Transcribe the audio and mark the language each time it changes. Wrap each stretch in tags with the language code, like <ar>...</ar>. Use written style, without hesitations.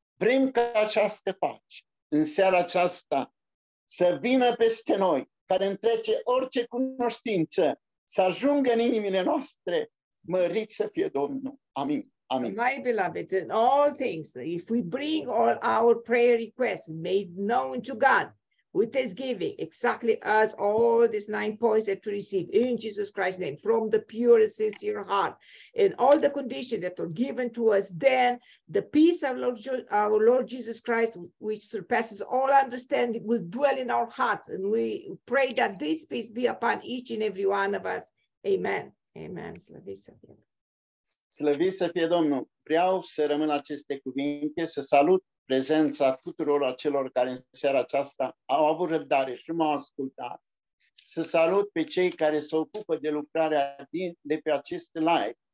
<ro>Vrem ca această pace în seara aceasta să vină peste noi, care întrece orice cunoștință, să ajungă în inimile noastre, mărit să fie Domnul. Amin. Amin.</ro> <en>My beloved, in all things, if we bring all our prayer requests made known to God, with thanksgiving, exactly as all these 9 points that we receive in Jesus Christ's name, from the pure and sincere heart, and all the conditions that are given to us, then the peace of our Lord Jesus Christ, which surpasses all understanding, will dwell in our hearts. And we pray that this peace be upon each and every one of us.</en> <ro>Amen. Amen. Slăviți să fie Domnul. Vreau să rămân aceste cuvinte, să salut prezența tuturor acelor care în seara aceasta au avut răbdare și m-au ascultat. Să salut pe cei care se ocupă de lucrarea de pe acest live.</ro>